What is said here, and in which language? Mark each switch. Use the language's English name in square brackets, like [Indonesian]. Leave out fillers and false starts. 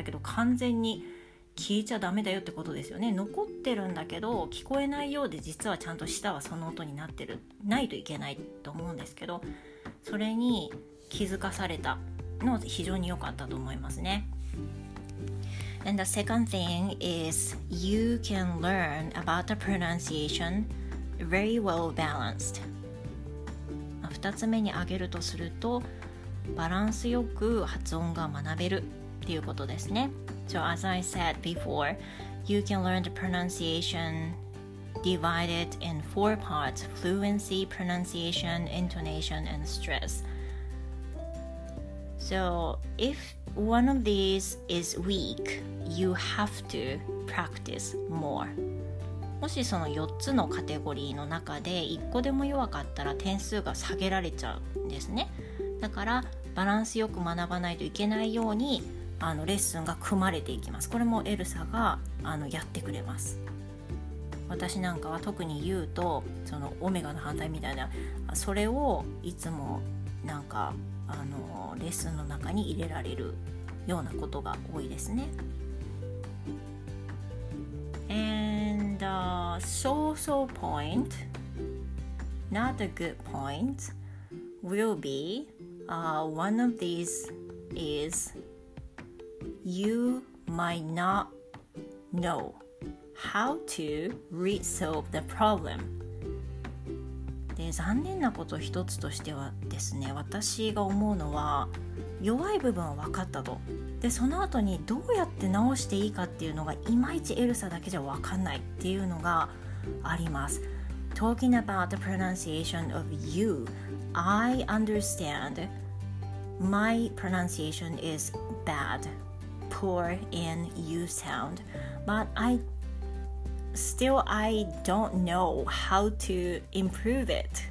[Japanese] だけど完全に聞いちゃダメだよってことですよね。残ってるんだけど聞こえないようで、実はちゃんと舌はその音になってる、ないといけないと思うんですけど、それに気づかされたの非常に良かったと思いますね。 [English] And the second thing is you can learn about the pronunciation very well balanced。 [Japanese] 2つ目に挙げるとすると、バランスよく発音が学べるっていうことですね。 [English] So as I said before, you can learn the pronunciation divided in four parts: fluency, pronunciation, intonation, and stress. So if one of these is weak, you have to practice more. [Japanese] もしその4つのカテゴリーの中で1個でも弱かったら点数が下げられちゃうんですね。だからバランスよく学ばないといけないように、あのレッスンが組まれていきます。これもエルサがあのやってくれます。私なんかは特に U とそのオメガの反対みたいな、それをいつもなんかあのレッスンの中に入れられるようなことが多いですね。 [English] And a so-so point, not a good point, will be one of these isYou might not know how to resolve the problem. [Japanese] で、残念なこと一つとしてはですね、私が思うのは、弱い部分は分かったと。で、その後にどうやって直していいかっていうのが、いまいちエルサだけじゃ分かんないっていうのがあります。 [English] Talking about the pronunciation of you, I understand my pronunciation is bad. Poor in U sound, but I still don't know how to improve it.